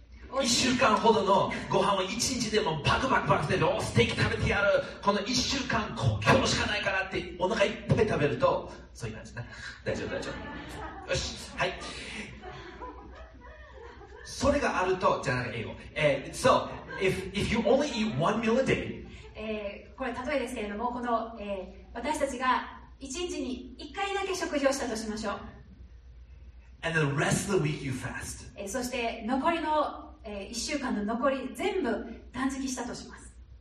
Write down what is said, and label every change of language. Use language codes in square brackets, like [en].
[ja] 1週間ほどのご飯を1日でもパクパクパクでローステーキ食べてやる、この1週間今日しかないからってお腹いっぱい食べると、そういう感じだ、大丈夫大丈夫、よし、はい、それがあると、じゃあ英語、 [en] So if you only eat one meal a day、 [ja] これ例えですけれども、この、私たちが1日に1回だけ食事をしたとしましょう、 [en] And the rest of the week you fast. [ja] そして残りの、1週間の残り全部断食したとします。